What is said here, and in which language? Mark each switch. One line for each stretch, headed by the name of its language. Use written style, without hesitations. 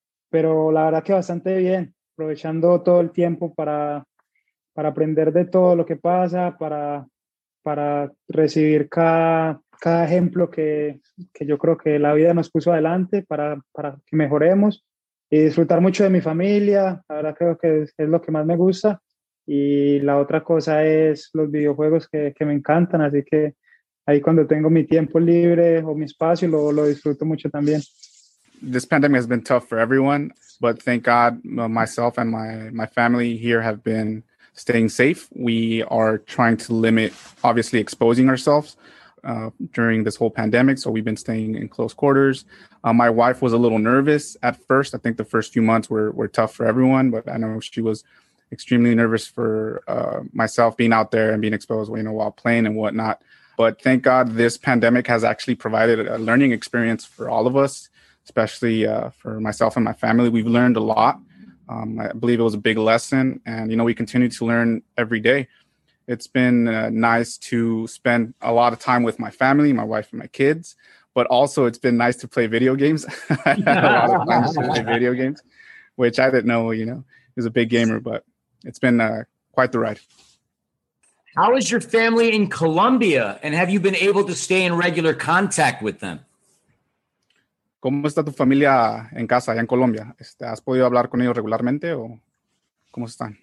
Spanish: Pero la verdad que bastante bien, aprovechando todo el tiempo para aprender de todo lo que pasa, para recibir cada ejemplo que yo creo que la vida nos puso adelante para que mejoremos. Y disfrutar mucho de mi familia, la verdad creo que es lo que más me gusta. Y la otra cosa es los videojuegos que me encantan, así que ahí cuando tengo mi tiempo libre o mi espacio, lo disfruto mucho también.
English: This pandemic has been tough for everyone, but thank God myself and my family here have been staying safe. We are trying to limit, obviously, exposing ourselves during this whole pandemic. So we've been staying in close quarters. My wife was a little nervous at first. I think the first few months were tough for everyone, but I know she was extremely nervous for myself being out there and being exposed, you know, while playing and whatnot. But thank God this pandemic has actually provided a learning experience for all of us, especially for myself and my family. We've learned a lot. I believe it was a big lesson. And, you know, we continue to learn every day. It's been nice to spend a lot of time with my family, my wife and my kids, but also it's been nice to play video games. A lot of times to play video games, which I didn't know, you know, is a big gamer, but it's been quite the ride. How is your family in Colombia? And have you been able to stay in regular contact with them?
Spanish: ¿Cómo está tu familia en casa allá en Colombia? ¿Has podido hablar con ellos regularmente o cómo están?